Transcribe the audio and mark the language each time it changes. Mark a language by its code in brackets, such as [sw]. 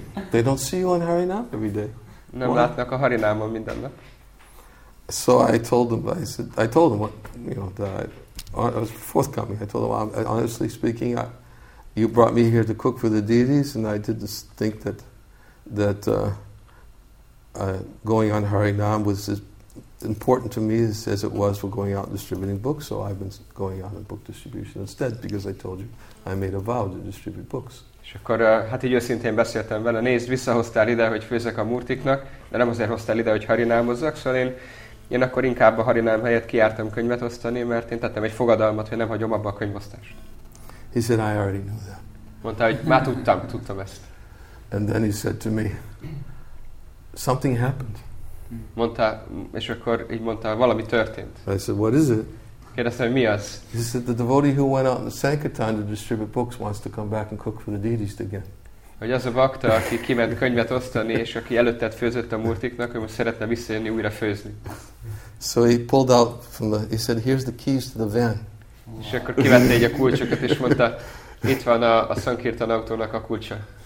[en] They don't see you on Harinam every day. [hu] Nem látnak a Harinámon minden nap. [en] So I told him what, you know, that I was forthcoming. I told him, honestly speaking, you brought me here to cook for the deities, and I did just think that going on Harinam was as important to me as it was for going out and distributing books, so I've been going out in book distribution instead, because I told you I made a vow to distribute books. [hu] És akkor, hát így őszintén beszéltem vele, nézd, visszahoztál ide, hogy főzek a murtiknak, de nem azért hoztál ide, hogy harinámozzak, szóval én akkor inkább a harinám helyett kijártam könyvet osztani, mert én tettem egy fogadalmat, hogy nem hagyom abba a könyvosztást. [en] He said, I already knew that. [hu] Mondta, hogy már tudtam ezt. [en] And then he said to me, something happened. [hu] Mondta, és akkor így mondta, valami történt. [en] I said, what is it? [hu] Kérdeztem, hogy mi az? [en] He said, the devotee who went out in the Sankirtan to distribute books wants to come back and cook for the deities again. [hu] Hogy az a bakta, aki kiment könyvet osztani, és aki előtted főzött a murtiknak, ő most szeretne visszajönni újra főzni. [en] So he pulled out from the, he said, here's the keys to the van. Wow. [hu] És akkor kivette egy a kulcsokat, és mondta, itt van a Sankirtan autónak a kulcsa.